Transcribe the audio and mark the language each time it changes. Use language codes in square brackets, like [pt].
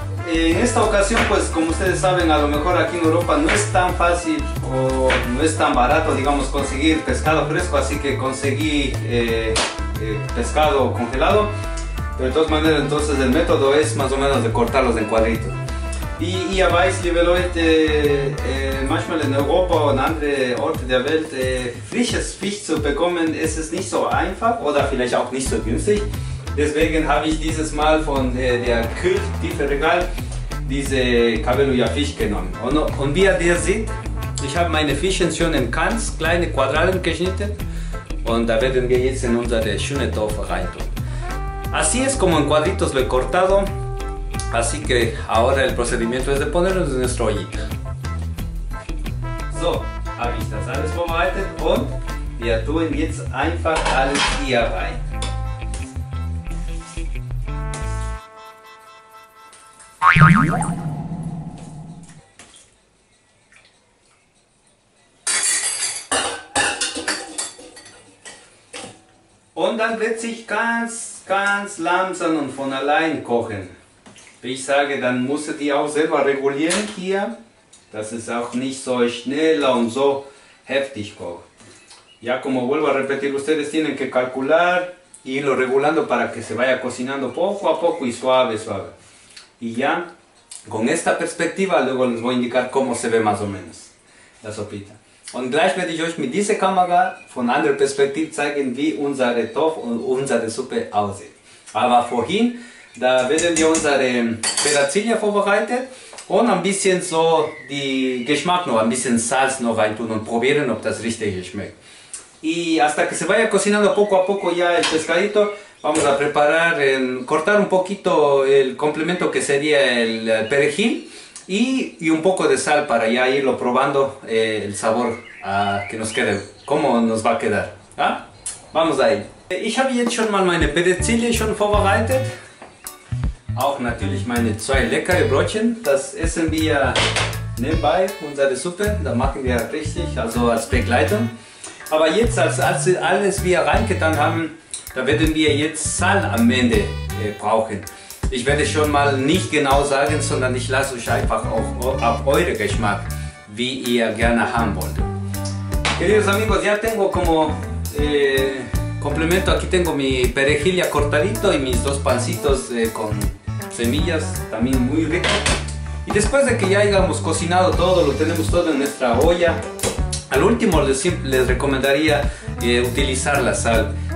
[es] En esta ocasión, pues como ustedes saben, a lo mejor aquí en Europa no es tan fácil o no es tan barato, digamos, conseguir pescado fresco, así que conseguí pescado congelado. Pero de todas maneras, entonces el método es más o menos de cortarlos en cuadritos. [de] Y ya veis, liebe Leute, manchmal in Europa und andere Orte der Welt, frisches Fisch zu bekommen, ist es nicht so einfach oder vielleicht auch nicht so günstig. Deswegen habe ich dieses Mal von der Kühltiefregal diese Kabeluja Fisch genommen. Und wie ihr seht, ich habe meine Fische schon in ganz kleine Quadraten geschnitten und da werden wir jetzt in unsere schöne Topf reintun. [es] Así es como en cuadritos lo he cortado. Así que ahora el procedimiento es de ponerlos en nuestra ollita. [de] So, habe ich das alles vorbereitet und wir tun jetzt einfach alles hier rein. Und dann wird sich ganz langsam und von allein kochen. Ich sage, dann musstet ihr auch selber regulieren hier, dass es auch nicht so schneller und so heftig kocht. [es] Ya como vuelvo a repetir, ustedes tienen que calcular y irlo regulando para que se vaya cocinando poco a poco y suave, suave. Y ya, con esta perspectiva, luego les voy a indicar cómo se ve más o menos la sopita. [de] Und gleich werde ich euch mit dieser Kamera von anderer Perspektive zeigen, wie unsere Topf und unsere Suppe aussieht. Aber vorhin, da werden wir unsere Petersilie vorbereiten und ein bisschen so die Geschmack noch, ein bisschen Salz noch rein tun und probieren, ob das richtig schmeckt. [es] Y hasta que se vaya cocinando poco a poco ya el pescadito, vamos a preparar, cortar un poquito el complemento que sería el perejil y un poco de sal para ya irlo probando el sabor que nos quede, cómo nos va a quedar. ¿Ah? Vamos ahí. [de] Ich habe jetzt schon mal meine Petersilie schon vorbereitet. Auch natürlich meine 2 leckere Brötchen, das essen wir nebenbei, unsere Suppe, da machen wir richtig, also als Begleitung. Aber jetzt, als alles wir reingetan haben, da werden wir jetzt Salz am Ende brauchen. Ich werde schon mal nicht genau sagen, sondern ich lasse euch einfach auf euren Geschmack, wie ihr gerne haben wollt. [es] Queridos amigos, ya tengo como complemento. Aquí tengo mi perejil ya cortadito y mis dos pancitos con semillas, también muy rico. Y después de que ya hayamos cocinado todo, lo tenemos todo en nuestra olla, al último les recomendaría utilizar la sal.